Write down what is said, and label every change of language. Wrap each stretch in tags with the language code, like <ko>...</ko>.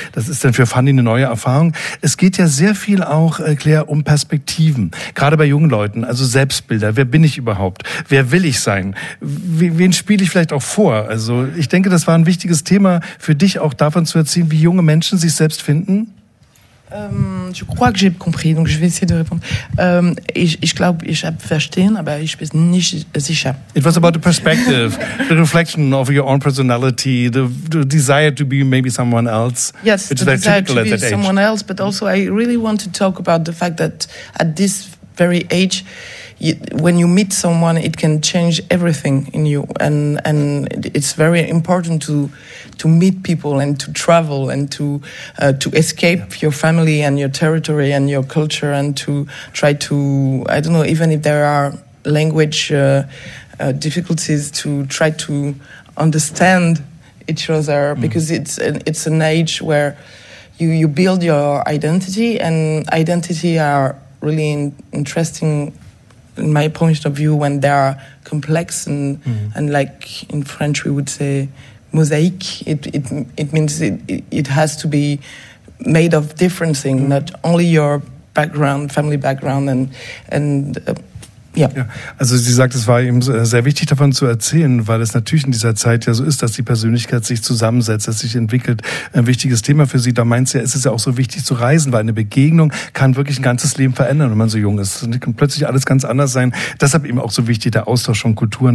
<de>Das ist dann für Fanny eine neue Erfahrung. Es geht ja sehr viel auch, Claire, um Perspektiven. Gerade bei jungen Leuten, also Selbstbilder. Wer bin ich überhaupt? Wer will ich sein? Wen spiele ich vielleicht auch vor? Also ich denke, das war ein wichtiges Thema für dich, auch davon zu erzählen, wie junge Menschen sich selbst finden.</de> <fr>Je crois que j'ai compris, donc je vais essayer de répondre.</fr> <de>Ich glaube, ich habe verstanden, aber ich bin nicht sicher.</de> <en>It was about the perspective, the reflection of your own personality, the desire to be maybe someone else. Yes, the desire to be someone else, but also I really want to talk about the fact that at this very age, when you meet someone, it can change everything in you, and it's very important to meet people and to travel and to escape your family and your territory and your culture and to try to, I don't know, even if there are language difficulties, to try to understand each other, because it's an age where you build your identity, and identity are really interesting in my point of view when they are complex and like in French we would say mosaic, it means it has to be made of different things, not only your background, family background and</en> <de>also sie sagt, es war eben sehr wichtig, davon zu erzählen, weil es natürlich in dieser Zeit ja so ist, dass die Persönlichkeit sich zusammensetzt, dass sich entwickelt. Ein wichtiges Thema für sie. Da meint sie ja, es ist ja auch so wichtig zu reisen, weil eine Begegnung kann wirklich ein ganzes Leben verändern, wenn man so jung ist. Es kann plötzlich alles ganz anders sein. Deshalb eben auch so wichtig, der Austausch von Kulturen.</de>